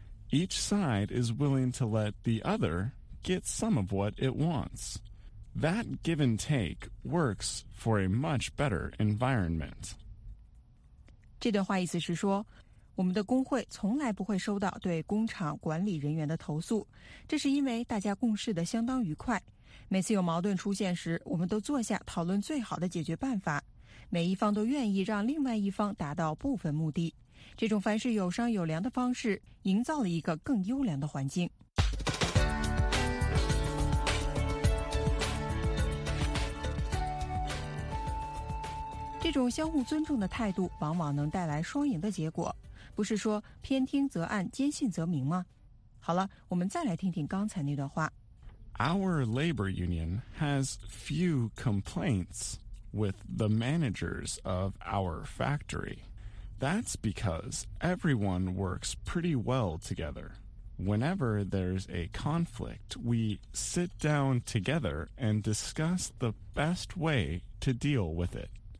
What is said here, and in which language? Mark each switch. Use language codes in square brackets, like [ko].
[en] Each side is willing to let the other get some of what it wants. That give and take works for a much better environment. [zh] 这段话意思是说，我们的工会从来不会收到对工厂管理人员的投诉，这是因为大家共事的相当愉快。每次有矛盾出现时，我们都坐下讨论最好的解决办法，每一方都愿意让另外一方达到部分目的。这种凡事有商有量的方式，营造了一个更优良的环境。这种相互尊重的态度往往能带来双赢的结果，不是说偏听则暗，坚信则明吗？好了，我们再来听听刚才那段话。 [en] Our labor union has few complaints with the managers of our factory. That's because everyone works pretty well together. Whenever there's a conflict, we sit down together and discuss the best way to deal with it.